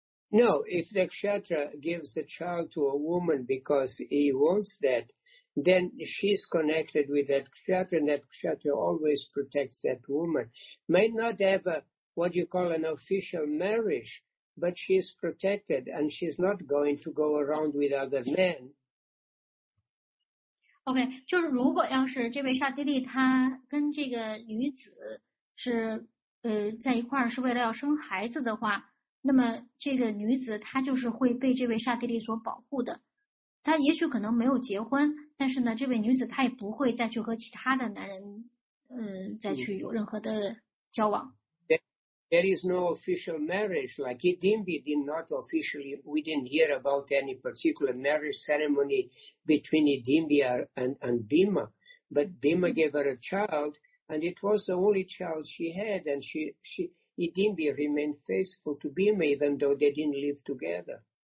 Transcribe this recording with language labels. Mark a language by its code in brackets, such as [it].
[en] No, if the Kshatriya gives a child to a woman because he wants that, then she's connected with that Kshatriya, and that Kshatriya always protects that woman. May not have an official marriage, but she is protected and she's not going to go around with other men. [zh] Okay, 就是如果要是这位沙帝利他跟这个女子是在一块儿是为了要生孩子的话，那么这个女子她就是会被这位沙帝利所保护的。她也许可能没有结婚，但是呢这位女子她也不会再去和其他的男人再去有任何的交往。 [en] There is no official marriage, like Idimbi did not officially, we didn't hear about any particular marriage ceremony between Idimbi and Bhima. But Bhima gave her a child, and it was the only child she had, and she Idimbi remained faithful to Bhima even though they didn't live together.